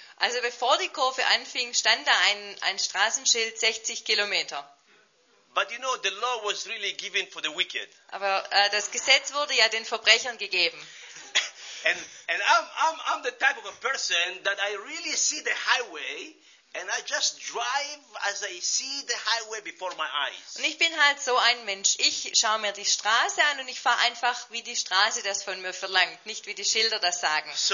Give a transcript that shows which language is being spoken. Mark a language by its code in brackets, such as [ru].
[de] Also bevor die Kurve anfing, stand da ein Straßenschild 60 Kilometer. [en] But you know, the law was really given for the wicked. [de] Aber das Gesetz wurde ja den Verbrechern gegeben. [en] And I'm the type of a person that I really see the highway and I just drive as I see the highway before my eyes. [de] Und ich bin halt so ein Mensch. Ich schaue mir die Straße an und ich fahre einfach, wie die Straße das von mir verlangt, nicht wie die Schilder das sagen.